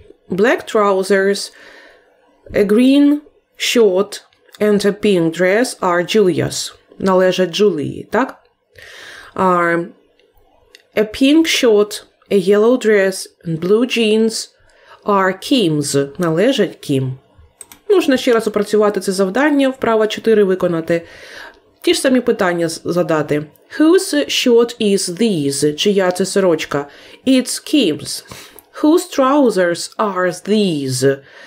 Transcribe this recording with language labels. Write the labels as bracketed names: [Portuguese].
[English] Black trousers, a green short, and a pink dress are Julia's. [Ukrainian] Належать Джулії, так? [English] A pink short, a yellow dress, and blue jeans are Kim's. [Ukrainian] Належать Кім. Можна ще раз опрацювати це завдання, вправа 4 виконати. Ті ж самі питання задати. [English] Whose shirt is this? [Ukrainian] Чия це сорочка? [English] It's Kim's. Whose trousers are these?